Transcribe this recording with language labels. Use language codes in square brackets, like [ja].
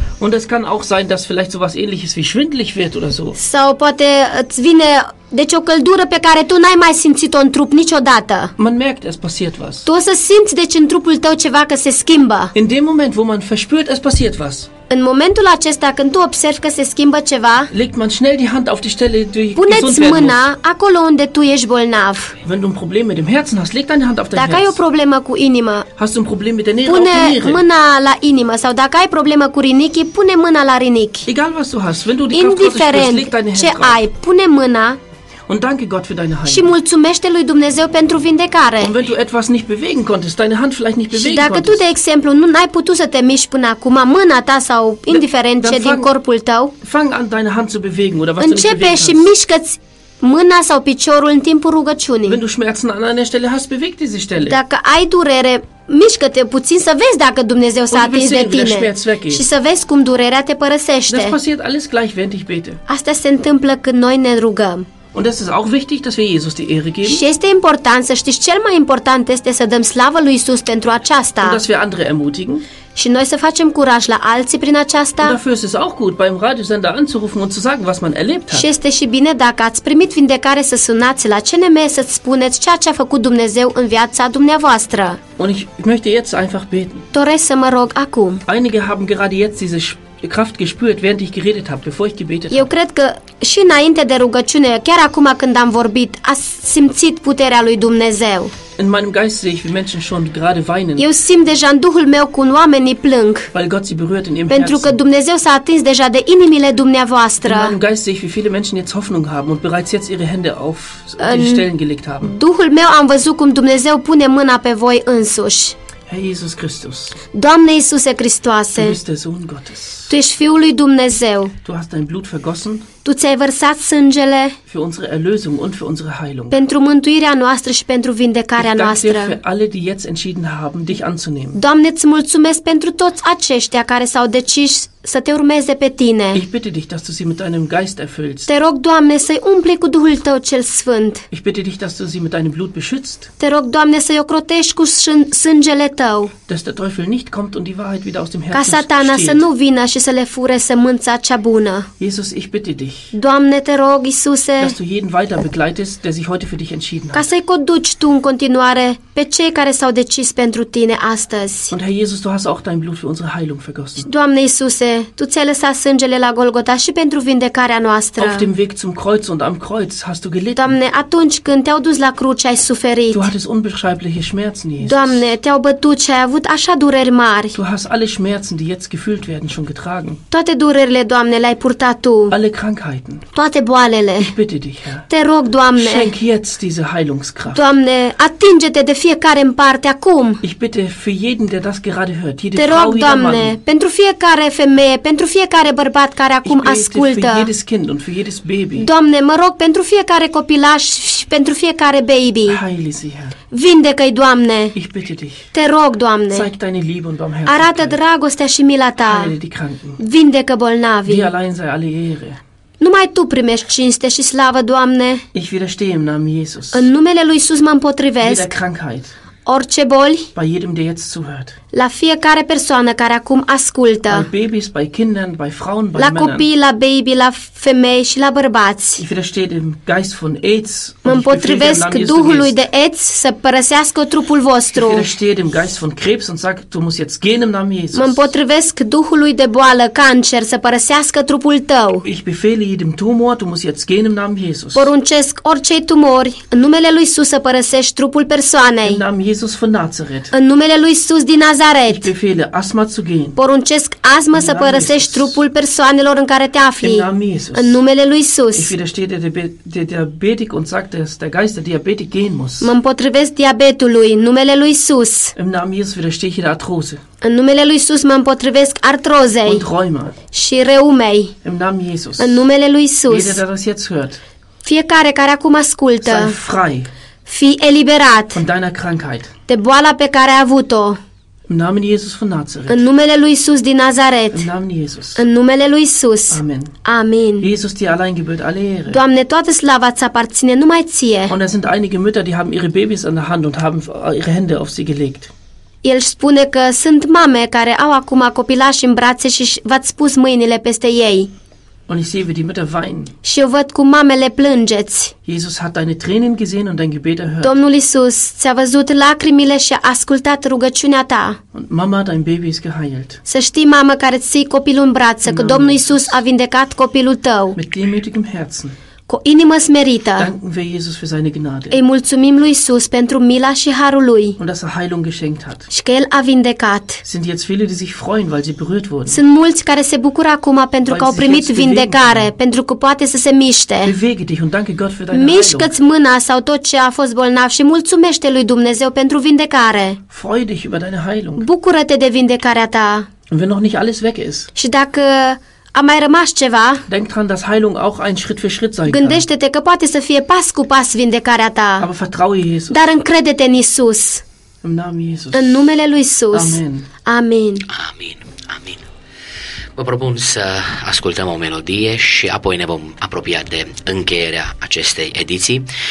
[de] Und es kann auch sein, dass vielleicht sowas ähnliches wie schwindelig wird oder so. [ro] Sau poate îți vine deci o căldură pe care tu n-ai mai simțit-o în trup niciodată. [de] Man merkt, es passiert was. [ro] Tu o să simți deci în trupul tău ceva că se schimbă. [de] In dem Moment, wo man verspürt, es passiert was. [ro] În momentul acesta când tu observi că se schimbă ceva, [de] legt man schnell die Hand auf die Stelle, die gesund werden muss. [ro] Puneți mâna acolo unde tu ești bolnav. [de] Wenn du ein Problem mit dem Herzen hast, leg deine Hand auf dein [ro] dacă [de] Herz. [ro] Dacă ai o problemă cu inima, [de] hast du ein Problem mit der Niere, [ro] pune mâna la inimă sau dacă ai problemă cu rinichi, pune mâna la rinichi. [de] Egal was du hast, wenn du die Kraft Gottes spürst, leg deine Hand [ro] ce [de] drauf. [ro] Ai, pune mâna. [de] Und danke Gott für deine Heilung. [ro] Și mulțumește lui Dumnezeu pentru vindecare. [de] Und wenn du etwas nicht bewegen konntest, deine Hand vielleicht nicht bewegen konntest. [ro] Și dacă tu, de exemplu, nu ai putut să te miști până acum, mâna ta sau indiferent ce din corpul tău. [de] Fang an deine Hand zu bewegen oder was du nicht bewegen kannst. [ro] Începe și mișcă-ți mâna sau piciorul în timpul rugăciunii. [de] Wenn du Schmerzen an einer Stelle hast, beweg diese Stelle. [ro] Dacă ai durere, mișcă-te puțin să vezi dacă Dumnezeu s-a atins de tine și să vezi cum durerea te părăsește. [de] Das passiert alles gleich, während ich bete. [ro] Asta se întâmplă când noi ne rugăm. [de] Und es ist auch wichtig, dass wir Jesus die Ehre geben. [ro] Și este important, să știți, cel mai important este să dăm slavă lui Isus pentru aceasta. [de] Und dass wir andere ermutigen. [ro] Și noi să facem curaj la alții prin aceasta. [de] Und dafür ist es auch gut, beim Radiosender anzurufen und zu sagen, was man erlebt hat. [ro] Și este și bine dacă ați primit vindecare să sunați la CNM să-ți spuneți ceea ce a făcut Dumnezeu în viața dumneavoastră. [de] Und ich möchte jetzt einfach beten. [ro] Doresc să mă rog acum. [de] Einige haben gerade jetzt diese Kraft gespürt, während ich geredet habe, bevor ich gebetet habe. [ro] Eu cred că și înainte de rugăciune, chiar acum când am vorbit, ați simțit puterea lui Dumnezeu. [de] In meinem Geist sehe ich, wie Menschen schon gerade weinen. [ro] Eu simt deja în duhul meu cum oamenii plâng. [de] Weil Gott sie berührt in ihrem [ro] Pentru [de] Herzen. [ro] Că Dumnezeu s-a atins deja de inimile dumneavoastră. [de] In meinem Geist sehe ich, wie viele Menschen jetzt Hoffnung haben und bereits jetzt ihre Hände auf die Stellen gelegt haben. [ro] Duhul meu am văzut cum Dumnezeu pune mâna pe voi însuși. [de] Herr Jesus Christus. [ro] Doamne Iisuse Hristoase. [de] Du bist der Sohn Gottes. [ro] Tu ești Fiul lui Dumnezeu. [de] Du hast dein Blut vergossen. [ro] Tu ți-ai vărsat sângele. [de] Für unsere Erlösung und für unsere Heilung. [ro] Pentru mântuirea noastră și pentru vindecarea noastră. [de] Ich danke dir für alle, die jetzt entschieden haben, dich anzunehmen. [ro] Doamne, îți mulțumesc pentru toți aceștia care s-au decis să te urmeze pe tine. [de] Ich bitte dich, dass du sie mit deinem Geist erfüllst. [ro] Te rog, Doamne, să-i umpli cu Duhul tău cel sfânt. [de] Ich bitte dich, dass du sie mit deinem Blut beschützt. [ro] Te rog, Doamne, să-i ocrotești cu sângele tău. [de] Dass der Teufel nicht kommt und die Wahrheit wieder aus dem Herzen steht. [ro] Ca Satana să nu vină și să le fure sămânța cea bună. [de] Jesus, ich bitte dich. [ro] Doamne, te rog, Iisuse. [de] Dass du jeden weiter begleitest, der sich heute für dich entschieden hat. [ro] Ca să-i conduci tu în continuare pe cei care s-au decis pentru tine astăzi. [de] Und Herr Jesus, du hast auch dein Blut für unsere Heilung vergossen. [ro] Doamne, Iisuse, tu ți-ai lăsat sângele la Golgota și pentru vindecarea noastră. [de] Auf dem Weg zum Kreuz und am Kreuz hast du gelitten. [ro] Doamne, atunci când te-au dus la cruce ai suferit. [de] Du hattest unbeschreibliche Schmerzen, Jesus. [ro] Doamne, te-au bătut și ai avut așa dureri mari. [de] Du hast alle Schmerzen, die jetzt gefühlt werden, schon getragen. [ro] Toate durerile, Doamne, le-ai purtat tu. [de] Alle Krankheiten. [ro] Toate boalele. [de] Ich bitte dich, Herr. [ro] Te rog, Doamne. [de] Schenk jetzt diese Heilungskraft. [ro] Doamne, atinge-te de fiecare în parte acum. [de] Ich bitte für jeden, der das gerade hört, jede [ro] Te rog, [de] Frau, [ro] Doamne, [de] jeder Mann. [ro] Pentru fiecare femeie, pentru fiecare bărbat care acum ascultă. [de] Für jedes Kind und für jedes Baby. [ro] Doamne, mă rog, pentru fiecare copilaș și pentru fiecare baby. [de] Heile sie, Herr. [ro] Vindecă-i, Doamne. [de] Ich bitte dich. [ro] Te rog, Doamne. [de] Zeig deine Liebe und Barmherzigkeit. [ro] Arată dragostea și mila ta. [de] Heile die Kranken. [ro] Vindecă bolnavii. [de] Dir allein sei alle Ehre. [ro] Numai Tu primești cinste și slavă, Doamne. [de] Ich widerstehe im Namen Jesus. [ro] În numele lui Iisus mă împotrivesc. [de] Jede Krankheit. [ro] Orice boli. [de] Bei jedem, der jetzt zuhört. [ro] La fiecare persoană care acum ascultă. [de] Bei Babys, bei Kindern, bei Frauen, bei [ro] la copii, la baby, la femei și la bărbați. [de] Ich widerstehe dem Geist von AIDS. [ro] Mă împotrivesc Duhului de AIDS să părăsească trupul vostru. [de] Ich widerstehe dem Geist von Krebs und sag, du musst jetzt gehen im Namen Jesus. [ro] Mă împotrivesc Duhului de boală, cancer, să părăsească trupul tău. [de] Ich befehle jedem Tumor, du musst jetzt gehen im Namen Jesus. [ro] Poruncesc orice tumori, în numele lui Iisus să părăsești trupul persoanei. [de] Jesus von Nazareth. [ro] În numele lui Iisus din Nazaret. [de] Ich befehle astma zu gehen. [ro] Poruncesc astma să părăsești trupul persoanelor în care te afli. [de] In name Jesus. [ro] În numele lui Iisus. [de] Ich widerstehe der Diabetik und sag, dass der Geist der Diabetik gehen muss. [ro] Mă împotrivesc diabetului, în numele lui Iisus. [de] Im Namen Jesus widerstehe ich der Arthrose. [ro] În numele lui Iisus mă împotrivesc artrozei. [de] Und Rheuma. [ro] Și reumei. [de] Im Namen Jesus. [ro] În numele lui Iisus. [de] Jeder, der das jetzt hört. [ro] Fiecare care acum ascultă. [de] Sei frei. [ro] Fii eliberat [de] von deiner Krankheit. [ro] De boala pe care ai avut-o. [de] Im Namen Jesus von Nazareth. [ro] În numele lui Iisus din Nazaret. [de] Im Namen Jesus. [ro] În numele lui Iisus. Amen. Amen. [de] Jesus, dir allein gebührt alle Ehre. [ro] Doamne, toată slava ți aparține numai ție. [de] Und es sind einige Mütter, die haben ihre Babys in der Hand und haben ihre Hände auf sie gelegt. [ro] El spune că sunt mame care au acum copilași în brațe și v-ați pus mâinile peste ei. [de] Und ich sehe, wie die Mütter weinen. [ro] Și eu văd cum mamele plângeți. [de] Jesus hat deine Tränen gesehen und dein Gebet erhört. [ro] Domnul Iisus ți-a văzut lacrimile și a ascultat rugăciunea ta. [de] Und Mama, dein Baby ist geheilt. [ro] Să știi, mamă, care ții copilul în brațe, că Domnul Iisus a vindecat copilul tău. [de] Mit demütigem Herzen. [ro] Cu inimă smerită. [de] Danken wir Jesus für seine Gnade. [ro] Îi mulțumim lui Iisus pentru mila și harul lui. [de] Und dass er Heilung geschenkt hat. [ro] Și că el a vindecat. [de] Sind jetzt viele, die sich freuen, weil sie berührt wurden. [ro] Sunt mulți care se bucură acum pentru că au primit vindecare, pentru că poate să se miște. [de] Bewege dich und danke Gott für deine Heilung. [ro] Mișcă-ți mâna sau tot ce a fost bolnav și mulțumește lui Dumnezeu pentru vindecare. [de] Freu dich über deine Heilung. [ro] Bucură-te de vindecarea ta. [de] Und wenn noch nicht alles weg ist. [ro] Și dacă a mai rămas ceva? [de] Denk dran, dass Heilung auch ein Schritt für Schritt sein kann. [ro] Gândește-te că poate să fie pas cu pas vindecarea ta. [de] Aber vertraue Jesus. [ro] Dar încrede-te în Iisus. [de] Im Namen Jesus. [ro] În numele lui Iisus. Amen. Amen. Amen. Vă propun să ascultăm o melodie și apoi ne vom apropia de încheierea acestei ediții.